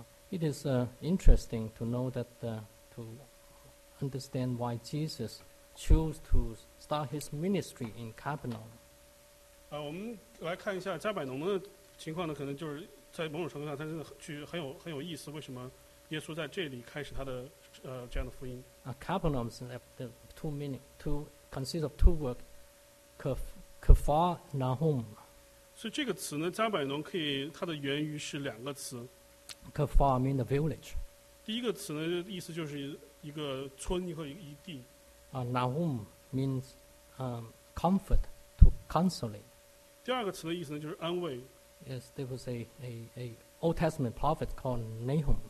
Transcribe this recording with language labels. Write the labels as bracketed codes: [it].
[en] It is interesting to know that to understand why Jesus chose to start his ministry in Capernaum. [zh] 我们来看一下加百农的情况呢，可能就是在某种程度上，它真的很有意思。为什么耶稣在这里开始他的这样的福音？ [en] Capernaum have two meaning. Two consists of two words, Capernaum. [zh] 所以这个词呢，加百农可以它的源于是两个词。 [en] Capernaum means a village. [zh] 第一个词呢，意思就是一个村和一地。 [en] Nahum means comfort, to consolate. [zh] 第二个词的意思呢，就是安慰。 [en] Yes, there was a Old Testament prophet called Nahum.